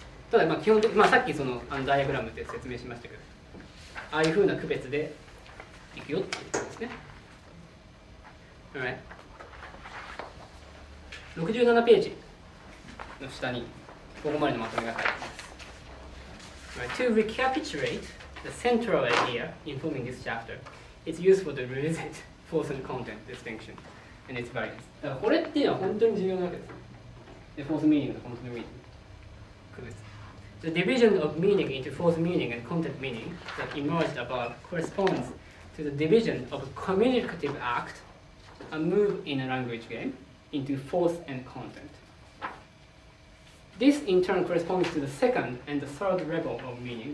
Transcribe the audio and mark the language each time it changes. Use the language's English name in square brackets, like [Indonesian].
[Japanese] ただまあ基本的、まあ、さっきそのダイアグラムで説明しましたけど、ああいうふうな区別でいくよっていうことですね。 [English] Right. [Japanese] 67ページの下にここまでのまとめが書いてあります。 [English] Right. To recapitulate the central idea informing this chapter, it's useful to revisit force and content distinction and its variants. [Japanese] だからこれっていうのは本当に重要なわけです。で、force meaning と content meaning。区別。 [English] The division of meaning into force meaning and content meaning that emerged above corresponds to to the division of communicative act, a move in a language game, into force and content. This in turn corresponds to the second and the third level of meaning.